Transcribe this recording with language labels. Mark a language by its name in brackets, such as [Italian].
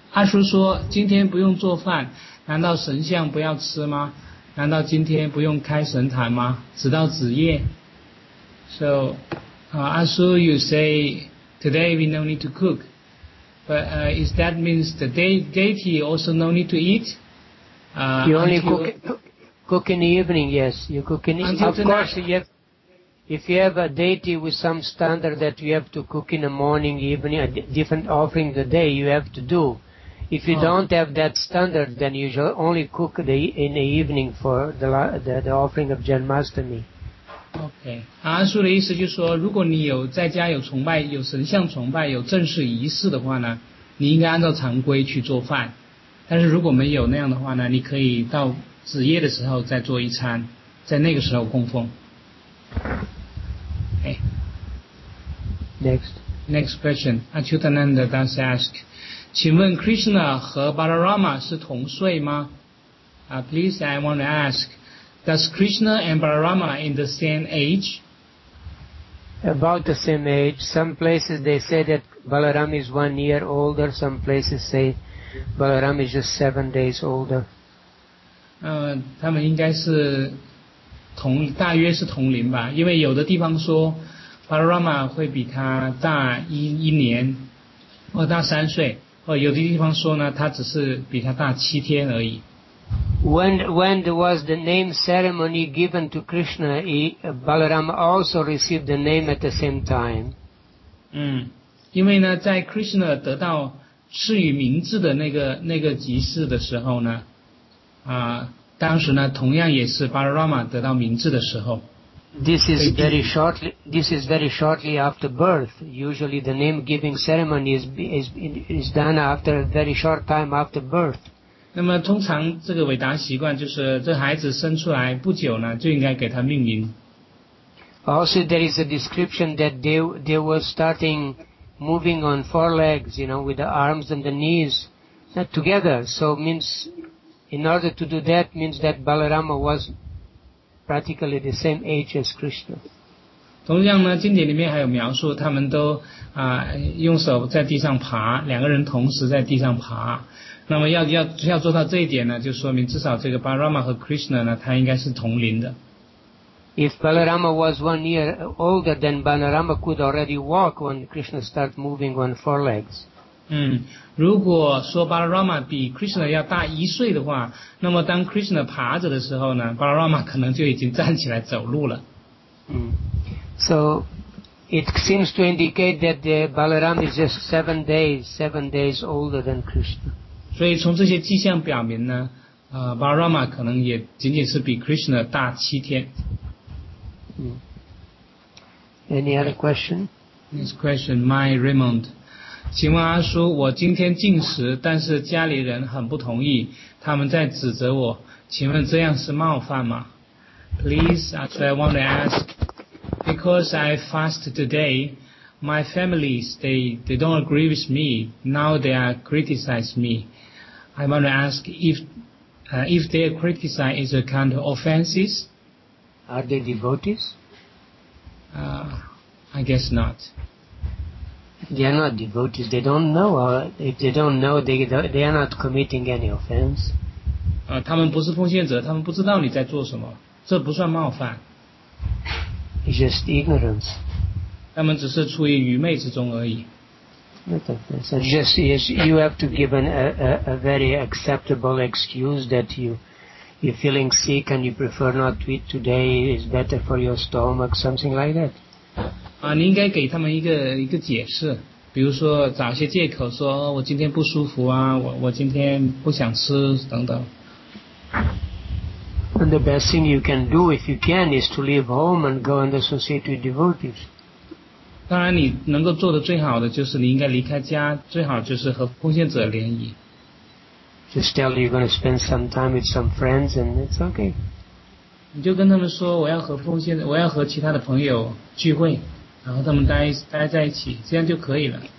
[Chinese] 阿叔说今天不用做饭，难道神像不要吃吗？难道今天不用开神坛吗？直到子夜。 [English] So, Asu, you say today we no need to cook, but is that means the deity also no need to eat? You only cook in the evening. Yes, you cook in the evening. Of course, if you have a deity with some standard that you have to cook in the morning, evening, a different offering the day, you have to do. If you don't have that standard, then you shall only cook in the evening for the offering of Janmashtami. [Chinese] Okay. 阿叔的意思就是说，如果你有在家有崇拜、有神像崇拜、有正式仪式的话呢，你应该按照常规去做饭。但是如果没有那样的话呢，你可以到子夜的时候再做一餐，在那个时候供奉。 [English] Okay. Next question. Achyutananda does ask. [Chinese] 请问 Krishna 和 Balarama 是同岁吗？ [English] Please, I want to ask, does Krishna and Balarama in the same age? About the same age. Some places they say that Balarama is 1 year older. Some places say Balarama is just 7 days older. [Chinese] 他们应该是同大约是同龄吧，因为有的地方说 Balarama 会比他大一年或大三岁，或有的地方说呢他只是比他大七天而已。 [English] When was the name ceremony given to Krishna, Balarama also received the name at the same time. [Chinese] 因为呢在 Krishna 得到赐予名字的那个集市的时候呢，当时呢同样也是 Balarama 得到名字的时候。 [English] This is very shortly after birth. Usually the name giving ceremony is done after a very short time after birth. [Chinese] 那么通常这个韦达习惯就是这孩子生出来不久呢就应该给他命名。 [English] Also there is a description that they were starting moving on four legs, you know, with the arms and the knees together. So means... In order to do that means that Balarama was practically the same age as Krishna. [Chinese] 同样呢经典里面还有描述他们都用手在地上爬，两个人同时在地上爬。那么要做到这一点呢就说明至少这个 Balarama 和 Krishna 呢他应该是同龄的。 [English] If Balarama was 1 year older, then Balarama could already walk when Krishna started moving on four legs. [Chinese] 如果说 Balarama 比 Krishna 要大一岁的话，那么当 Krishna 爬着的时候呢， Balarama 可能就已经站起来走路了。 [English] So it seems to indicate that the Balarama is just seven days older than Krishna. [Chinese] 所以从这些迹象表明呢，Balarama 可能也仅仅是比 Krishna 大七天。 [English] Any other question? Next question, my Raymond. [Chinese] 请问阿叔，我今天进食，但是家里人很不同意，他们在指责我，请问这样是冒犯吗？ [English] Please, actually I want to ask, because I fast today, my family, they don't agree with me, now they are criticizing me. I want to ask if their criticize is a kind of offenses? Are they devotees? I guess not. They are not devotees. They don't know. If they don't know, they are not committing any offense. [Chinese] 他们不是奉献者，他们不知道你在做什么，这不算冒犯。 [English] It's just ignorance. [Chinese] 他们只是出于愚昧之中而已。 [English] So just yes, you have to give a very acceptable excuse that you're feeling sick and you prefer not to eat today. It's better for your stomach, something like that. [Chinese] 你应该给他们一个解释，比如说找些借口说我今天不舒服啊，我今天不想吃等等。 [English] And the best thing you can do if you can is to leave home and go and associate with devotees. [Chinese] 当然你能够做的最好的就是你应该离开家，最好就是和奉献者联谊。 [English] Just tell you're going to spend some time with some friends and it's okay. [Chinese] 你就跟他们说我要和其他的朋友聚会。然后他们待在一起，这样就可以了。